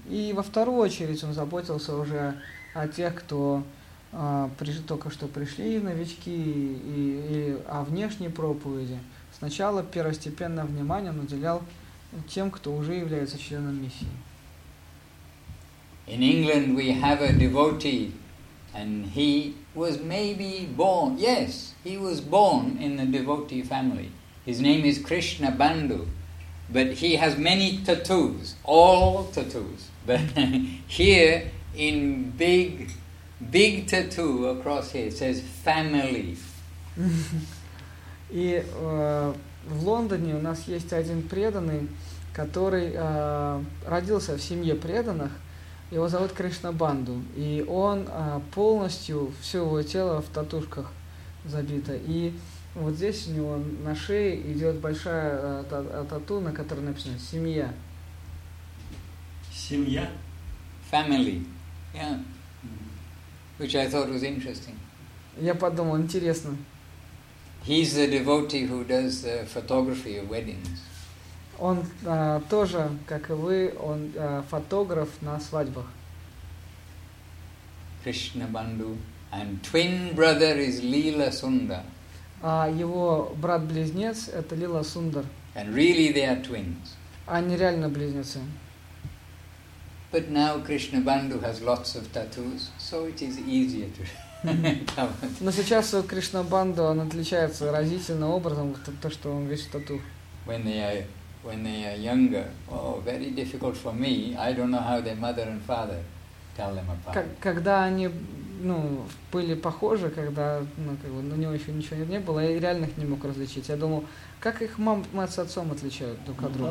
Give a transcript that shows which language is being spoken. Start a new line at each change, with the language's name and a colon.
Russian: И во вторую очередь он заботился уже о тех, кто только что пришли, новички, и о внешней проповеди. Сначала первостепенное внимание он уделял тем, кто уже является членом миссии.
English: In England we have a devotee, and he was maybe born, yes, he was born in the devotee family. His name is Krishna Bandhu, but he has many tattoos, all tattoos. But here, in big, big tattoo across here, it says family.
Russian: И в Лондоне у нас есть один преданный, который родился в семье преданных. Его зовут Кришна Банду, и он полностью, все его тело в татушках забито. И вот здесь у него на шее идет большая тату, на которой написано «семья». Семья?
English: Family. Yeah. Which I thought was interesting.
Russian: Я подумал, интересно.
English: He's the devotee who does the photography of weddings.
Russian: Он тоже, как и вы, он фотограф на свадьбах.
English: Krishna Bandhu. And twin brother is Leela Sundar.
Russian: Его брат-близнец – это Лила Сундар.
English: And really they are twins.
Russian: Они реально близнецы.
English: But now Krishna Bandhu has lots of tattoos, so it is easier to...
Russian: Но сейчас у Кришна Банду он отличается разительным образом, то, что он весь в тату.
English: When they are younger, oh, very difficult for me. I don't know how their mother and father tell them apart.
Russian: Когда они, ну, были похожи, когда, ну, как бы, у него еще ничего не было, я реально их не мог различить. Я думал, как их мама с отцом отличают друг от друга?